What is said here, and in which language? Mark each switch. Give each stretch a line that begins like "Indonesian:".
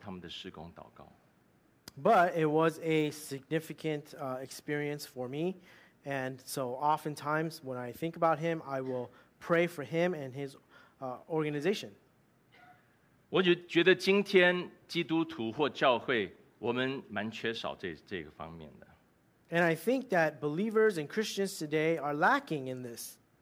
Chinese: 可是那是我在一生当中印象非常深刻的一次，与一个之前完全不认识，但是历史之间有很深厚的情感，然后我常常记得他，我就替他还他们的事工祷告。
English: But it was a significant experience for me. And so oftentimes when I think about him, I will pray for him and his organization.
Chinese: 我觉得今天基督徒或教会，我们蛮缺少这个方面的。
English: And I think that believers and Christians today are lacking in this.